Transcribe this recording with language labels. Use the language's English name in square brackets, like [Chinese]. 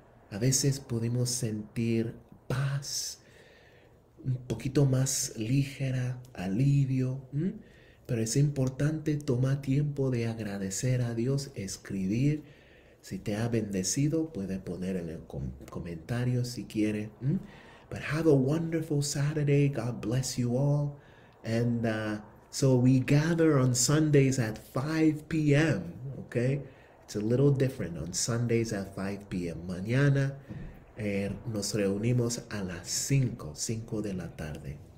[Spanish] A veces podemos sentir paz, un poquito más ligera, alivio. Pero es importante tomar tiempo de agradecer a Dios, escribir. Si te ha bendecido, puede poner en el comentario si quiere. [English] But have a wonderful Saturday. God bless you all. And so we gather on Sundays at 5 p.m. Okay? It's a little different on Sundays at 5 p.m. [Spanish] Mañana nos reunimos a las 5, 5 de la tarde.